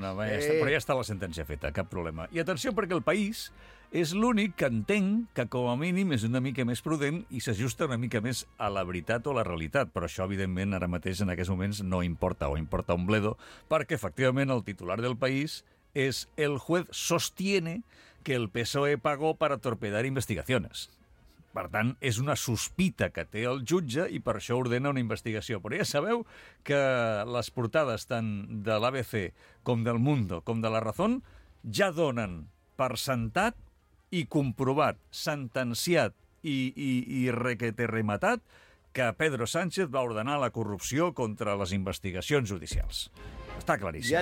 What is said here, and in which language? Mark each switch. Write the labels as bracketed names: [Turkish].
[Catalan] no, bé, però ja està la sentència feta, cap problema. I atenció, perquè el País és l'únic que entenc que com a mínim és una mica més prudent i s'ajusta una mica més a la veritat o a la realitat. Però això, evidentment, ara mateix, en aquests moments, no importa o [Spanish] importa un bledo, [Catalan] perquè, efectivament, el titular del País... [Spanish] es el juez sostiene que el PSOE pagó para torpedar investigaciones. [Catalan] Per tant, és una sospita que té el jutge i per això ordena una investigació. Però ja sabeu que les portades tant de l'ABC com del Mundo com de La Razón ja donen per sentat i comprovat, sentenciat i requete rematat que Pedro Sánchez va ordenar la corrupció contra les investigacions judicials. Està claríssim.